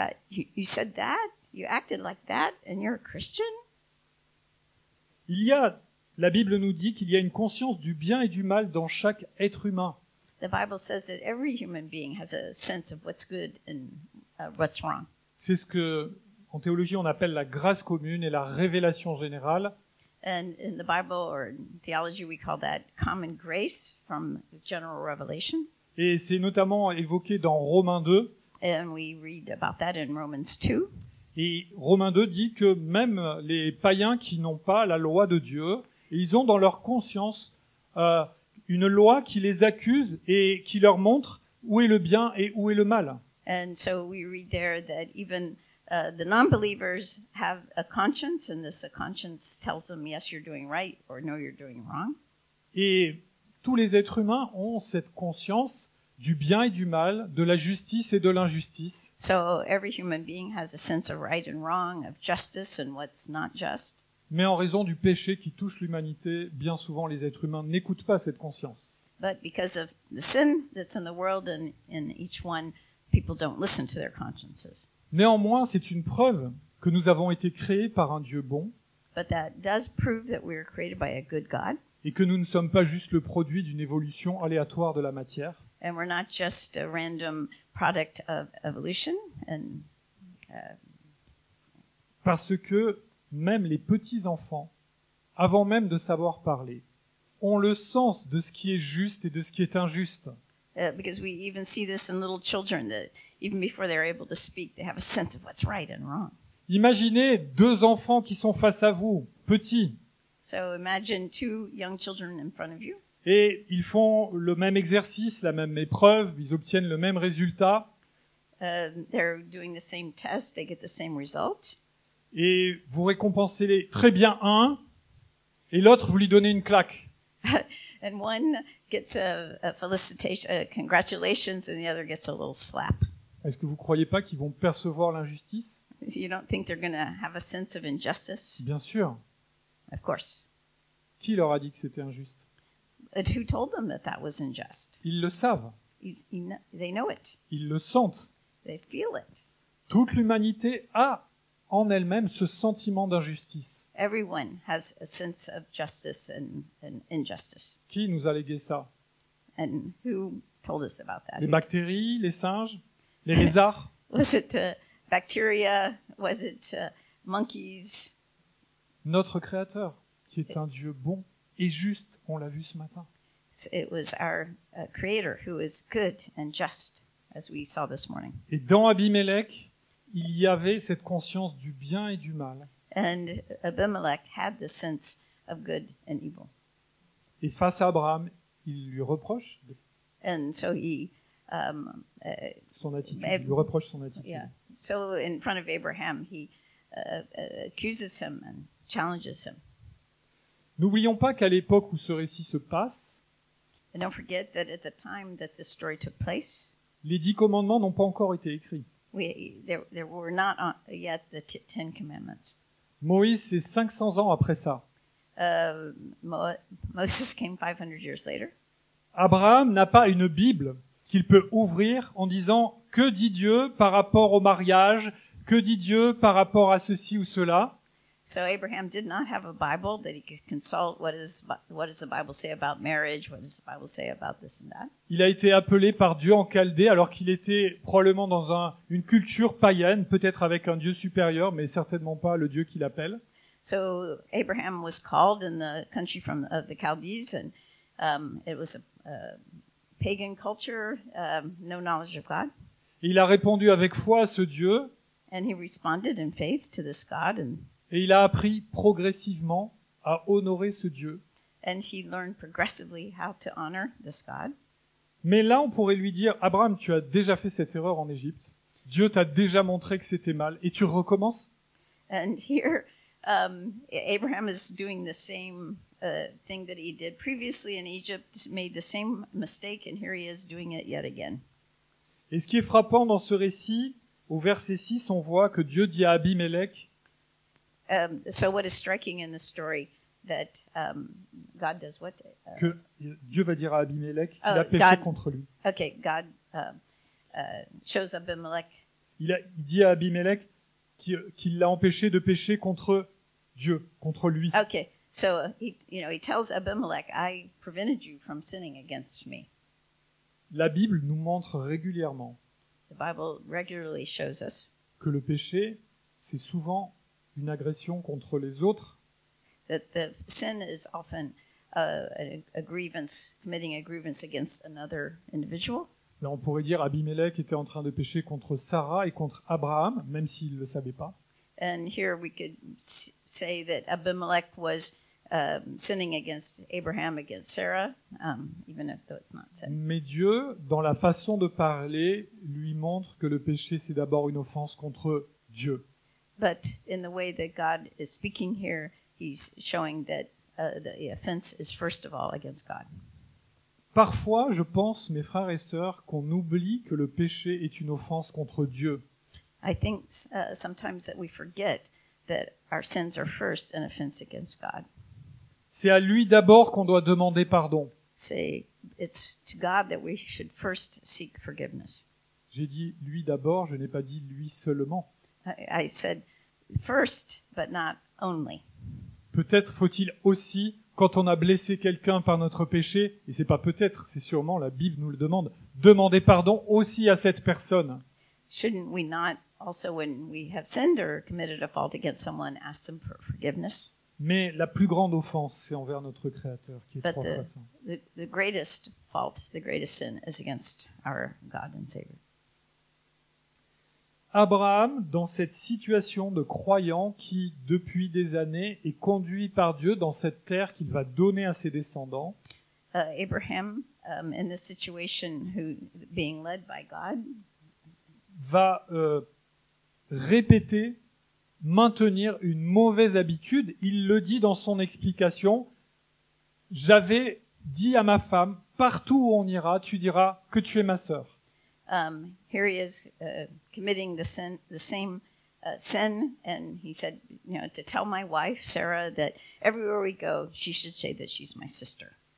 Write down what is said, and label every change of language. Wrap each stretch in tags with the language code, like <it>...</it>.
<en>You said that, you acted like that and you're a Christian?</en> <fr>La Bible nous dit qu'il y a une conscience du bien et du mal dans chaque être humain.</fr> <en>The Bible says that every human being has a sense of what's good and what's wrong.</en> <fr>C'est ce que, en théologie, on appelle la grâce commune et la révélation générale.</fr> <en>And in the Bible or in theology, we call that common grace from general revelation.</en> <fr>Et c'est notamment évoqué dans Romains 2.</fr> <en>And we read about that in Romans 2.</en> <fr>Et Romains 2 dit que même les païens qui n'ont pas la loi de Dieu, ils ont dans leur conscience une loi qui les accuse et qui leur montre où est le bien et où est le mal.</fr> <en>And so we read there that even the non-believers have a conscience, and this conscience tells them, yes, you're doing right, or no, you're doing wrong.</en> <fr>Et tous les êtres humains ont cette conscience du bien et du mal, de la justice et de l'injustice.</fr> <en>So every human being has a sense of right and wrong, of justice and what's not just.</en> <fr>Mais en raison du péché qui touche l'humanité, bien souvent les êtres humains n'écoutent pas cette conscience.</fr> <en>But because of the sin that's in the world and in each one, people don't listen to their consciences.</en> <fr>Néanmoins, c'est une preuve que nous avons été créés par un Dieu bon.</fr> <en>But that does prove that we are created by a good God.</en> <fr>Et que nous ne sommes pas juste le produit d'une évolution aléatoire de la matière.</fr> <en>And we're not just a random product of evolution. And,</en> <fr>Parce que même les petits enfants, avant même de savoir parler, ont le sens de ce qui est juste et de ce qui est injuste.</fr> <en>Because we even see this in little children that even before they're able to speak, they have a sense of what's right and wrong.</en> <fr>Imaginez deux enfants qui sont face à vous, petits.</fr> <en>So imagine two young children in front of you.</en> <fr>Et ils font le même exercice, la même épreuve, ils obtiennent le même résultat.</fr> <en>They're doing the same test, they get the same result.</en> <fr>Et vous récompensez très bien un, et l'autre vous lui donnez une claque.</fr> <en>And one gets a felicitation, a congratulations, and the other gets a little slap.</en> <fr>Est-ce que vous croyez pas qu'ils vont percevoir l'injustice?</fr> <en>You don't think they're going to have a sense of injustice?</en> <fr>Bien sûr.</fr> <en>Of course.</en> <fr>Qui leur a dit que c'était injuste?</fr> <en>And who told them that that was unjust?</en> <fr>Ils le savent.</fr> <en>They know it.</en> <fr>Ils le sentent.</fr> <en>They feel it.</en> <fr>Toute l'humanité a en elle-même ce sentiment d'injustice.</fr> <en>Everyone has a sense of justice and injustice.</en> <fr>Qui nous a légué ça?</fr> <en>And who told us about that?</en> <fr>Les bactéries, les singes, les lézards?</fr> <en>Was it bacteria? Was it monkeys?</en> <fr>Notre Créateur, qui est un Dieu bon et juste, on l'a vu ce matin.</fr> <en>It was our Creator who is good and just, as we saw this morning.</en> <fr>Et dans Abimélec, il y avait cette conscience du bien et du mal.</fr> <en>And Abimelech had the sense of good and evil.</en> <fr>Et face à Abraham, il lui reproche.</fr> <en>And so he</en> <fr>son attitude, il lui reproche son attitude.</fr> <en>Yeah. So in front of Abraham, he accuses him and challenges him.</en> <fr>N'oublions pas qu'à l'époque où ce récit se passe,</fr> <en>and don't forget that at the time that this story took place,</en> <fr>les 10 commandements n'ont pas encore été écrits.</fr> <en>There were not yet the 10 commandments.</en> <fr>Moïse, c'est 500 ans après ça.</fr> <en>Moses came 500 years later.</en> <fr>Abraham n'a pas une Bible qu'il peut ouvrir en disant « Que dit Dieu par rapport au mariage ? Que dit Dieu par rapport à ceci ou cela ?»</fr> <en>So Abraham did not have a Bible that he could consult. What does the Bible say about marriage? What does the Bible say about this and that?</en> <fr>Il a été appelé par Dieu en Chaldée alors qu'il était probablement dans une culture païenne, peut-être avec un Dieu supérieur, mais certainement pas le Dieu qu'il appelle.</fr> <en>So Abraham was called in the country of the Chaldees, and it was a pagan culture, no knowledge of God.</en> <fr>Il a répondu avec foi à ce Dieu.</fr> <en>And he responded in faith to this God.</en> <fr>Et il a appris progressivement à honorer ce Dieu.</fr> <en>And he learned progressively how to honor this God.</en> <fr>Mais là, on pourrait lui dire, Abraham, tu as déjà fait cette erreur en Égypte. Dieu t'a déjà montré que c'était mal. Et tu recommences?</fr> <en>And here, Abraham is doing the same thing that he did previously in Egypt, made the same mistake, and here he is doing it yet again.</en> <fr>Et ce qui est frappant dans ce récit, au verset 6, on voit que Dieu dit à Abimélec.</fr> <en>So what is striking in the story that God does what?</en> <fr>Que Dieu va dire à Abimélec qu'il a péché contre lui.</fr> <en>Okay, God shows Abimelech.</en> <fr>Il dit à Abimélec qu'il l'a empêché de pécher contre Dieu, contre lui.</fr> <en>Okay, so he tells Abimelech, I prevented you from sinning against me.</en> <fr>La Bible nous montre régulièrement</fr> <en>the Bible regularly shows us</en> <fr>que le péché, c'est souvent une agression contre les autres.</fr> <en>That the sin is often a grievance, committing a grievance against another individual.</en> <fr>Là, on pourrait dire Abimelech était en train de pécher contre Sarah et contre Abraham, même s'il ne le savait pas.</fr> <en>And here we could say that Abimelech was sinning against Abraham, against Sarah, even though it's not sin.</en> <fr>Mais Dieu, dans la façon de parler, lui montre que le péché, c'est d'abord une offense contre Dieu.</fr> <en>But in the way that God is speaking here, he's showing that the offense is first of all against God.</en> <fr>Parfois, je pense, mes frères et sœurs, qu'on oublie que le péché est une offense contre Dieu.</fr> <en>I think sometimes that we forget that our sins are first an offense against God.</en> <fr>C'est à lui d'abord qu'on doit demander pardon.</fr> <en>It's to God that we should first seek forgiveness.</en> <fr>J'ai dit lui d'abord, je n'ai pas dit lui seulement.</fr> <en>I said first, but not only.</en> <fr>Peut-être faut-il aussi, quand on a blessé quelqu'un par notre péché, et c'est pas peut-être, c'est sûrement, la Bible nous le demande, demander pardon aussi à cette personne.</fr> <en>Shouldn't we not also, when we have sinned or committed a fault against someone, ask them for forgiveness?</en> <fr>Mais la plus grande offense, c'est envers notre Créateur qui est trois fois saint.</fr> <en>The greatest fault, the greatest sin, is against our God and Savior.</en> <fr>Abraham, dans cette situation de croyant qui, depuis des années, est conduit par Dieu dans cette terre qu'il va donner à ses descendants.</fr> <en>Abraham, in this situation, being led by God,</en> <fr>va répéter, maintenir une mauvaise habitude. Il le dit dans son explication. J'avais dit à ma femme, partout où on ira, tu diras que tu es ma sœur.</fr> <en>Here he is committing the same sin, and he said, to tell my wife Sarah that everywhere we go, she should say that she's my sister.</en>